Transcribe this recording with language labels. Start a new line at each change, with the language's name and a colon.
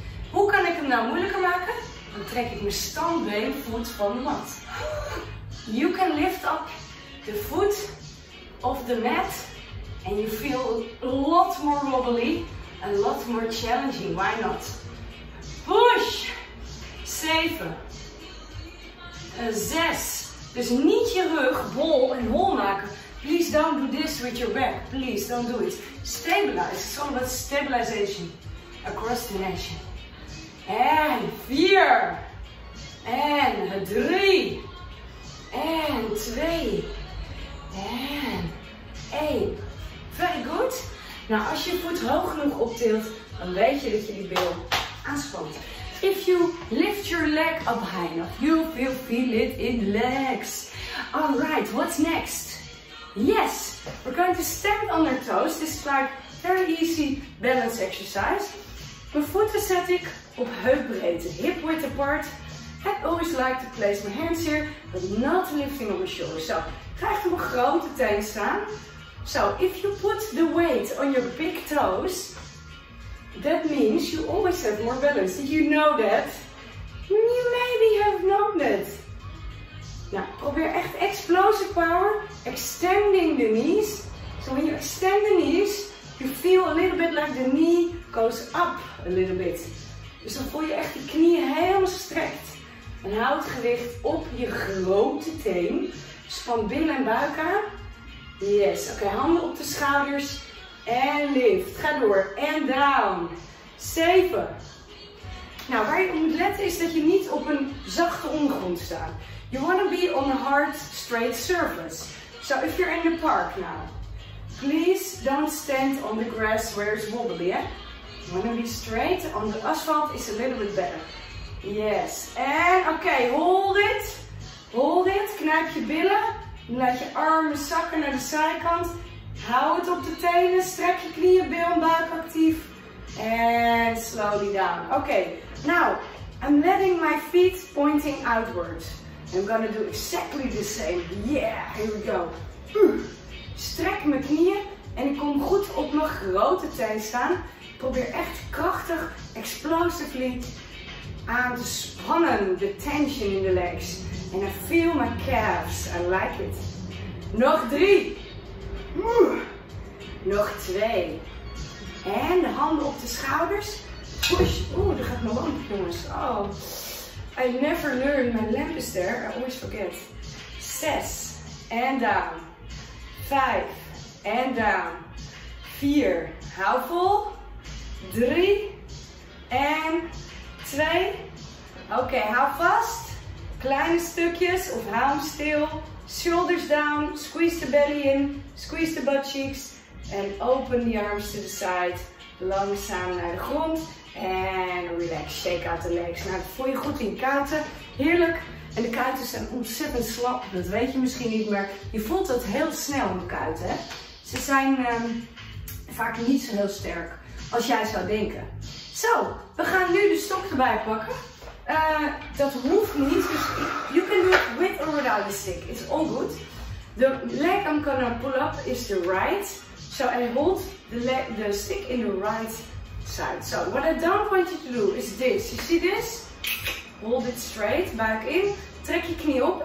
Dutch: Hoe kan ik hem nou moeilijker maken? Dan trek ik mijn standbeenvoet van de mat.
English: You can lift up the foot of the mat and you feel a lot more wobbly, a lot more challenging. Why not? Push! 7, 6.
Dutch: Dus niet je rug bol en hol maken.
English: Please don't do this with your back. Please don't do it. Stabilize. It's all about stabilization across the neck.
Dutch: En 4. En 3. En 2. En 1.
English: Very good.
Dutch: Nou, als je voet hoog genoeg optilt, dan weet je dat je die bil aanspant.
English: If you lift your leg up high enough, you will feel it in the legs. Alright, what's next? Yes, we're going to stand on our toes. This is like very easy balance exercise.
Dutch: Mijn voeten zet ik op heupbreedte,
English: hip width apart. I always like to place my hands here, but not lifting on my shoulders.
Dutch: So, krijg je mijn grote teen staan.
English: So, if you put the weight on your big toes, that means you always have more balance. Did you know that? You maybe have known that.
Dutch: Nou, probeer echt
English: explosive power, extending the knees. So, when you extend the knees, you feel a little bit like the knee goes up a little bit.
Dutch: Dus dan voel je echt die knieën helemaal strekt. En houd gewicht op je grote teen. Dus van binnen en buik aan. Yes. Oké, handen op de schouders. En lift. Ga door. En down. 7. Nou, waar je op moet letten is dat je niet op een zachte ondergrond staat.
English: You want to be on a hard, straight surface. So if you're in the park now. Please don't stand on the grass where it's wobbly. Eh? You want to be straight. On the asphalt is a little bit better. Yes. En okay, hold it. Hold it.
Dutch: Knijp je billen. Laat je armen zakken naar de zijkant. Hou het op de tenen. Strek je knieën, bil en buik actief.
English: And slowly down. Okay. Now, I'm letting my feet pointing outwards. I'm gonna do exactly the same. Yeah, here we go.
Dutch: Strek mijn knieën en ik kom goed op mijn grote teen staan. Probeer echt krachtig, explosively aan te spannen, de tension in de legs.
English: And I feel my calves, I like it.
Dutch: Nog 3. Nog 2. En de handen op de schouders. Push. Oeh, daar gaat mijn lamp, jongens. Oh.
English: I never learn, my lamp is there, I always forget. 6. And down. 5. And down. 4.
Dutch: Hou vol.
English: 3.
Dutch: En 2. Oké, hou vast. Kleine stukjes of hou hem stil.
English: Shoulders down. Squeeze the belly in. Squeeze the butt cheeks. And open the arms to the side.
Dutch: Langzaam naar de grond.
English: And relax. Shake out the legs.
Dutch: Nou, voel je goed in kuiten. Heerlijk. En de kuiten zijn ontzettend slap. Dat weet je misschien niet, maar je voelt dat heel snel in de kuiten. Hè? Ze zijn vaak niet zo heel sterk als jij zou denken. Zo, we gaan nu de stok erbij pakken. Dat hoeft niet.
English: Dus you can do it with or without the stick. It's all good. The leg I'm gonna pull up is the right. So I hold the stick in the right side. So what I don't want you to do is this. You see this? Hold it straight, back in.
Dutch: Trek je knie op.